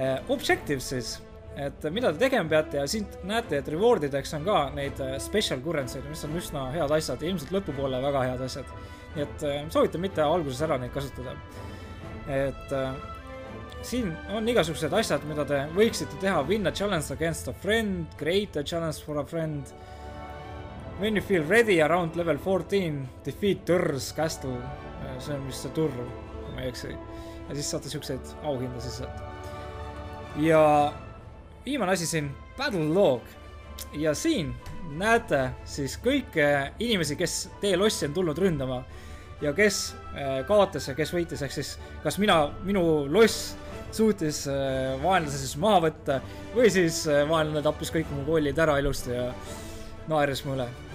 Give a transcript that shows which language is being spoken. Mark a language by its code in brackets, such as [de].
[et] Objective siis, et mida te tegema peate ja siin näete, et rewardideks on ka neid special currency, mis on üsna head asjad ja ilmselt lõpupoole väga head asjad. Nii et soovite mitte alguses ära neid kasutada. Et siin on igasugused asjad, mida te võiksite teha. [en] Win a challenge against a friend, create a challenge for a friend. When you feel ready around level 14, defeat Durr's castle. [et] See on vist see Durr. Ja siis saate siukseid auhinda siis sealt. Ja viimane asi siin Battle Log. Ja siin näete siis kõike inimesi, kes teie lossi on tulnud ründama ja kes kaotas ja kes võitis, ehk siis kas minu loss suutis vaenlase siis maha võtta või siis vaenlane tappis kõik mu koolid ära ilust ja naeris mulle.